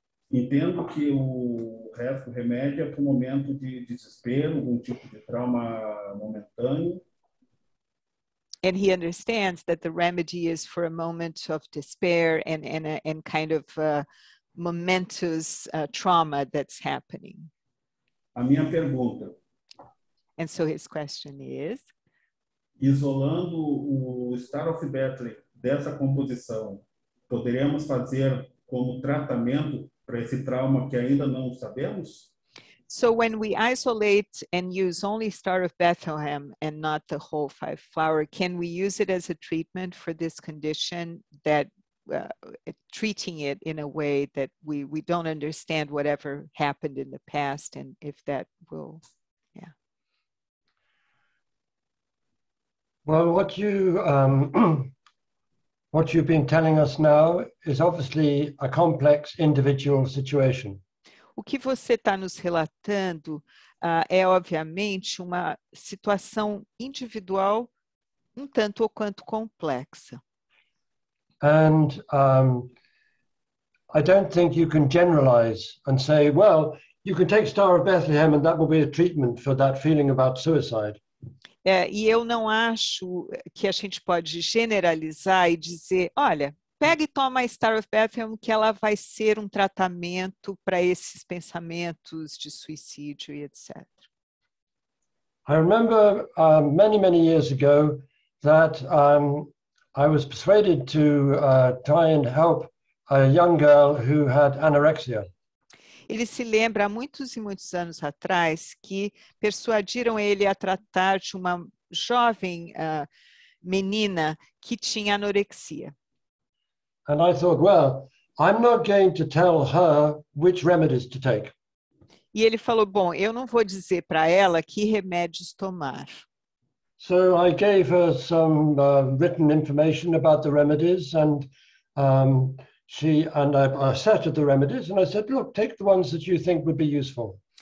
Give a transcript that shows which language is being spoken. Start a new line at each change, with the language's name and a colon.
Portuguese: Entendo que o resto do remédio é para um momento de desespero, algum tipo de trauma momentâneo.
English: And he understands that the remedy is for a moment of despair and kind of momentous trauma that's happening.
Portuguese: A minha pergunta.
English: And so his question is.
Portuguese: Isolando o Star of Bethlehem dessa composição, poderíamos fazer como tratamento para esse trauma que ainda não sabemos?
English: So when we isolate and use only Star of Bethlehem and not the whole five flower, can we use it as a treatment for this condition that treating it in a way that we don't understand whatever happened in the past and if that will, yeah. Well, what you what you've been telling us now is obviously a complex individual situation.
Portuguese: O que você está nos relatando é obviamente uma situação individual um tanto ou quanto complexa.
English: And I don't think you can generalize and say, well, you can take Star of Bethlehem and that will be a treatment for that feeling about suicide.
Portuguese: E eu não acho que a gente pode generalizar e dizer, olha, pega e toma a Star of Bethlehem que ela vai ser um tratamento para esses pensamentos de suicídio e etc.
English: I remember many, many years ago that I was persuaded to try and help a young girl who had anorexia.
Portuguese: Ele se lembra há muitos e muitos anos atrás que persuadiram ele a tratar de uma jovem menina que tinha anorexia.
English: And I thought, well, I'm not going to tell her which remedies to take.
Portuguese: E ele falou, bom, eu não vou dizer para ela que remédios tomar.
English: So I gave her some written information about the remedies and I set her the remedies and I said, look, take the ones that you think would be useful.